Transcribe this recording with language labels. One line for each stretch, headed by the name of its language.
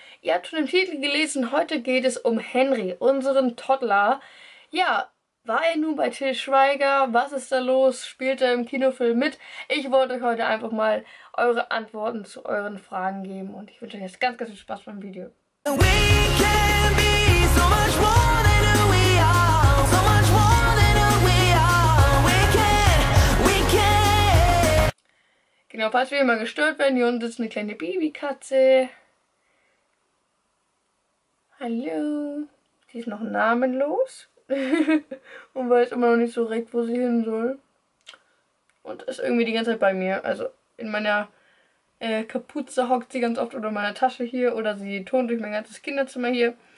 German: Ihr habt schon den Titel gelesen, heute geht es um Henry, unseren Toddler. Ja, war er nun bei Til Schweiger? Was ist da los? Spielt er im Kinofilm mit? Ich wollte euch heute einfach mal eure Antworten zu euren Fragen geben und ich wünsche euch jetzt ganz, ganz viel Spaß beim Video.
English: We can be so much more than we are, so much more than we are, we can.
German: Genau, falls wir immer gestört werden, hier unten sitzt eine kleine Babykatze. Hallo, die ist noch namenlos und weiß immer noch nicht so recht, wo sie hin soll. Und ist irgendwie die ganze Zeit bei mir, also in meiner Kapuze hockt sie ganz oft oder meine Tasche hier oder sie turnt durch mein ganzes Kinderzimmer hier.